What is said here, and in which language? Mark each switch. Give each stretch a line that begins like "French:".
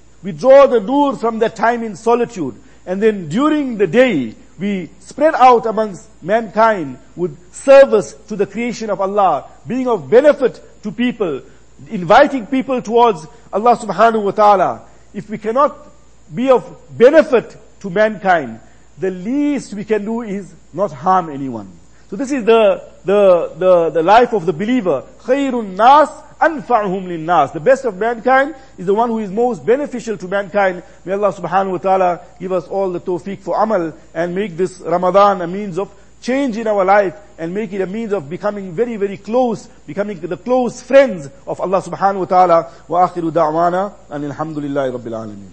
English: We draw the nur from that time in solitude. And then during the day, we spread out amongst mankind with service to the creation of Allah, being of benefit to people, inviting people towards Allah subhanahu wa ta'ala. If we cannot be of benefit to mankind, the least we can do is not harm anyone. So this is the life of the believer.
Arabic: خَيْرٌ nas أَنْفَعْهُمْ لِلنَّاسِ.
English: The best of mankind is the one who is most beneficial to mankind. May Allah subhanahu wa ta'ala give us all the tawfiq for amal, and make this Ramadan a means of change in our life, and make it a means of becoming very, very close, becoming the close friends of Allah subhanahu wa ta'ala.
Arabic: وَآخِرُ دَعْوَانَا أَنِ الْحَمْدُ لِلَّهِ رَبِّ الْعَالَمِينَ.